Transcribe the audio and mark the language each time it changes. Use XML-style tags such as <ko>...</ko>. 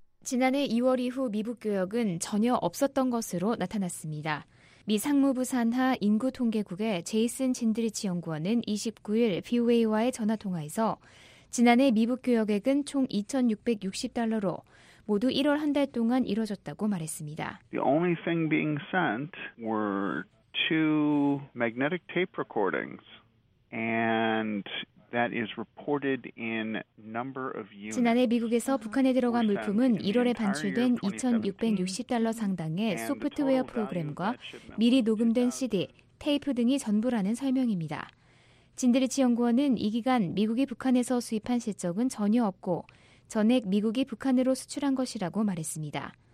<ko>지난해 2월 이후 미북 교역은 전혀 없었던 것으로 나타났습니다. 미 상무부 산하 인구통계국의 제이슨 진드리치 연구원은 29일 VOA와의 전화통화에서 지난해 미북 교역액은 총 $2,660로 모두 1월 한 달 동안 이뤄졌다고 말했습니다.</ko> <en>The only thing being sent were two magnetic tape recordings, and that is reported in number of units.</en> <ko>지난해 미국에서 북한에 들어간 물품은 1월에 반출된 $2,660 상당의 소프트웨어 프로그램과 미리 녹음된 CD, 테이프 등이 전부라는 설명입니다. 진드리치 연구원은 이 기간 미국이 북한에서 수입한 실적은 전혀 없고 전액 미국이 북한으로 수출한 것이라고 말했습니다.</ko>